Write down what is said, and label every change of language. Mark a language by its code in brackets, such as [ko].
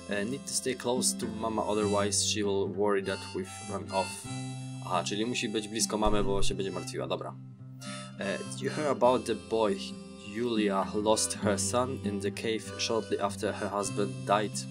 [en] Need to stay close to mama, otherwise she will worry that we've run off. [pl] Aha, czyli musi być blisko mamy, bo się będzie martwiła, dobra. [en] Did you hear about the boy? Julia lost her son in the cave shortly after her husband died.